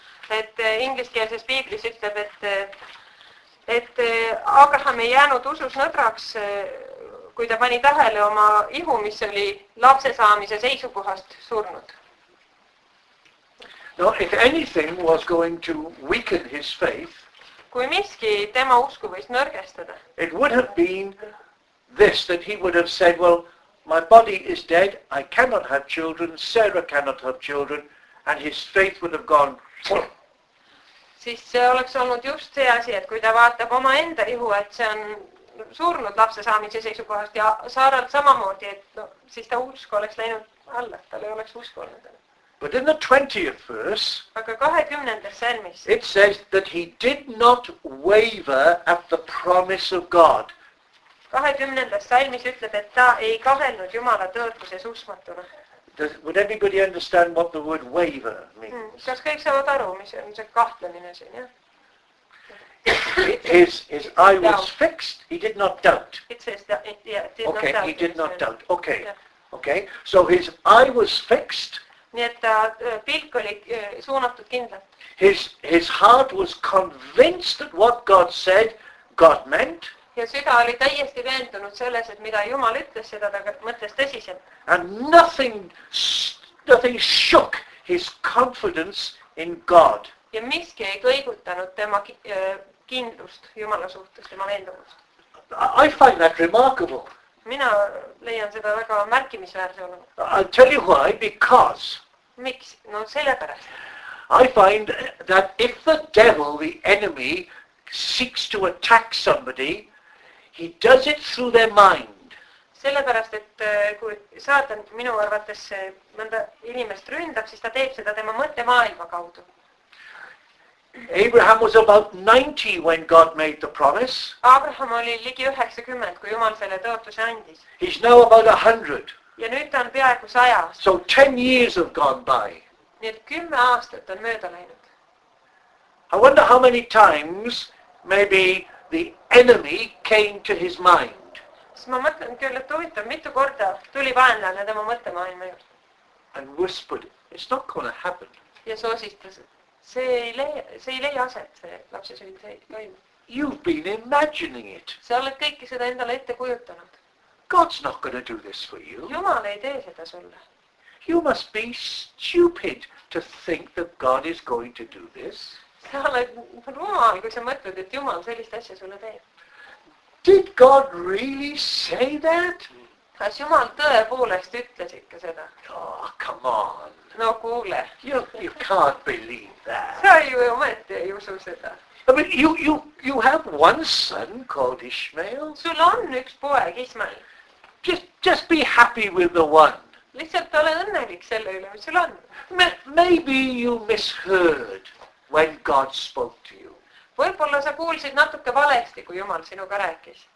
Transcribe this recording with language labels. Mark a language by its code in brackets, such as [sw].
[et] Et ingliskeelses piiblis ütleb, et Abraham ei jäänud usus nõdraks, kui ta pani tähele oma ihu, mis oli lapse saamise seisukohast surnud. [en] No, if anything was going to weaken his faith, [et] kui miski tema usku võis nõrgestada, [en] it would have been this, that he would have said, well, my body is dead, I cannot have children, Sarah cannot have children, and his faith would have gone... [et] Siis see oleks olnud just see asi, et kui ta vaatab oma enda ihu, et see on surnud lapse saamise seisukohast ja Saaralt samamoodi, et no, siis ta usku oleks läinud alla, tal ei oleks usku olnud. [en] But in the 20th verse, [et] aga 20. Salmis, [en] it says that he did not waver at the promise of God. 20. [et] Salmis ütleb, et ta ei kahelnud Jumala tõotuses uskmatuna. [en] Would everybody understand what the word waver means? [et] Kas kõik saavad aru, mis on see kahtlemine siin, jah? [en] His eye was fixed, he did not doubt. It says that, yeah, did okay, not doubt. He did not doubt, okay. Yeah. Okay, so his eye was fixed. [et] Nii et ta pilk oli suunatud kindlalt. [en] His heart was convinced that what God said, God meant. [et] Ja süda oli täiesti veendunud selles, et mida Jumal ütles, seda ta mõttes tõsiselt. [en] And nothing shook his confidence in God. [et] Ja miski ei kõigutanud tema kindlust Jumala suhtes, tema veendumust. [en] I find that remarkable. [et] Mina leian seda väga märkimisväärse olema. [en] I'll tell you why, because. [et] Miks? No sellepärast. [en] I find that if the devil, the enemy, seeks to attack somebody, he does it through their mind. [et] Sellepärast, et kui saatan minu arvates mõnda inimest ründab, siis ta teeb seda tema mõtte maailma kaudu. [en] Abraham was about 90 when God made the promise. [et] Abraham oli ligi 90, kui Jumal selle tõotuse andis. [en] He's now about 100. [et] Ja nüüd ta on peaaegu 100. [en] So 10 years have gone by. [et] Nii et 10 aastat on mööda läinud. [en] I wonder how many times maybe the enemy came to his mind. [et] Siis ma mõtlen küll, et huvitav, mitu korda tuli vaenlane tema mõttemaailma juurde. [en] And whispered, it's not going to happen. [et] Ja soosistas, see ei leia aset, see lapse sünd toimub. [en] You've been imagining it. [et] Sa oled kõiki seda endale ette kujutanud. [en] God's not going to do this for you. [et] Jumal ei tee seda sulle. [en] You must be stupid to think that God is going to do this. [et] Sa oled rumal, kui sa mõtled, et Jumal sellist asja sulle teeb. [en] Did God really say that? [et] Kas Jumal tõepoolest ütles ikka seda? [en] Oh, come on. [et] No kuule. [en] You can't believe that. [et] Sa ju ometi ei usu seda. [en] I mean, you have one son called Ishmael. [et] Sul on üks poeg, Ishmael. [en] Just be happy with the one. [et] Lihtsalt ole õnnelik selle üle, mis sul on. [en] Maybe you misheard when God spoke to you. [et] Võibolla sa kuulsid natuke valesti, kui Jumal sinuga rääkis.